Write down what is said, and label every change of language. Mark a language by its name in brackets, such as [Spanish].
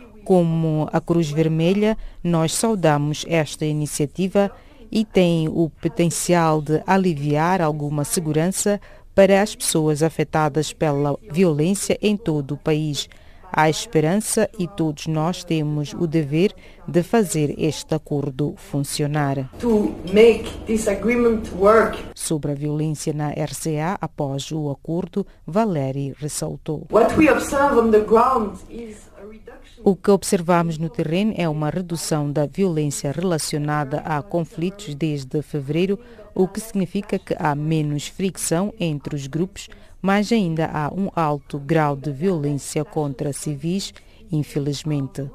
[Portuguese] Como a Cruz Vermelha, nós saudamos esta iniciativa e tem o potencial de aliviar alguma segurança para as pessoas afetadas pela violência em todo o país. Há esperança e todos nós temos o dever de fazer este acordo funcionar. [English] To make this agreement work. [Portuguese] Sobre a violência na RCA, após o acordo, Valérie ressaltou. [English] What we observe on the ground is a reduction. [Portuguese] O que observamos no terreno é uma redução da violência relacionada a conflitos desde fevereiro, o que significa que há menos fricção entre os grupos, mas ainda há um alto grau de violência contra civis, infelizmente.